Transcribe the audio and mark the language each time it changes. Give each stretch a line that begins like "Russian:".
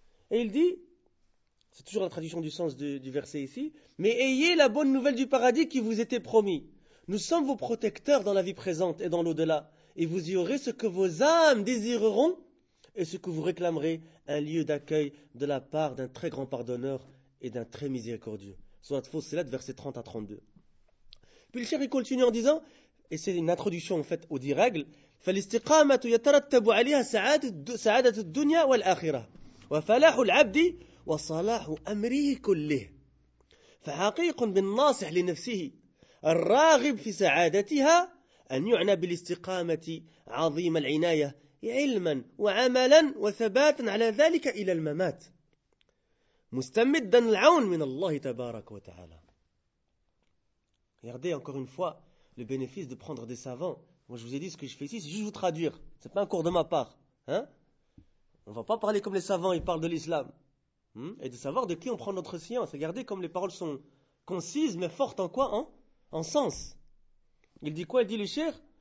French: Et il dit, c'est toujours la traduction du sens du verset ici, mais ayez la bonne nouvelle du paradis qui vous était promis. Nous sommes vos protecteurs dans la vie présente et dans l'au-delà et vous y aurez ce que vos âmes désireront et ce que vous réclamerez, un lieu d'accueil de la part d'un très grand pardonneur et d'un très miséricordieux. Surat Fussilat, c'est là de versets 30 à 32. Puis le cheikh continue en disant, et c'est une introduction en fait aux 10 règles,
Arabic: « فَالِسْتِقَامَةُ يَتَرَتَّبُ عَلِيهَا سَعَادَةُ الدُّنْيَا وَالْآخِرَةُ وَفَلَاحُ الْعَبْدِ وَصَلَاحُ أَمْرِهِ كُلِّهِ فَحَقِيقٌ بِالنَّاصِحِ لِنَفْسِهِ الرَّاغِبُ فِي سَعَادَتِهَا أَنْ يُعْنَى بِالِاسْتِقَامَةِ عَظِيمَ الْعِنَايَةِ علما وعملا وثباتا على ذلك إلى الممات مستمدا العون من الله تبارك وتعالى.
French: Regardez encore une fois le bénéfice de prendre des savants. Moi je vous ai dit ce que je fais ici, c'est juste vous traduire. C'est pas un cours de ma part. Hein? On va pas parler comme les savants, ils parlent de l'islam. Et de savoir de qui on prend notre science. Regardez comme les paroles sont concises mais fortes en quoi? En sens. Il dit quoi? Il dit le cheikh.